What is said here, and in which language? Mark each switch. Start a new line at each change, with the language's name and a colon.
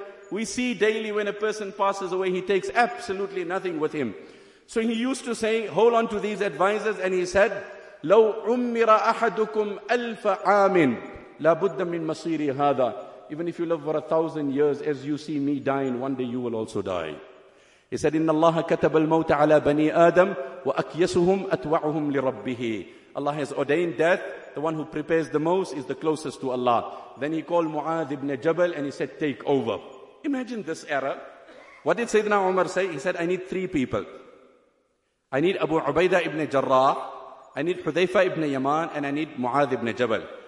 English: We see daily when a person passes away, he takes absolutely nothing with him. So he used to say, hold on to these advisors, and he said,
Arabic: لَوْ عُمِّرَ أَحَدُكُمْ أَلْفَ عَامٍ لَابُدَّ مِنْ مَصِيرِ هَذَا
English: Even if you live for 1,000 years, as you see me dying, one day you will also die. He said,
Arabic: إِنَّ اللَّهَ كَتَبَ الْمَوْتَ عَلَىٰ بَنِي آدَمٍ وَأَكْيَسُهُمْ أَتْوَعُهُمْ لِرَبِّهِ
English: Allah has ordained death. The one who prepares the most is the closest to Allah. Then he called Mu'adh ibn Jabal, and he said, take over. Imagine this era. What did Sayyidina Umar say? He said, I need three people. I need Abu Ubaidah ibn Jarrah, I need Hudhayfa ibn Yaman, and I need Mu'adh ibn Jabal.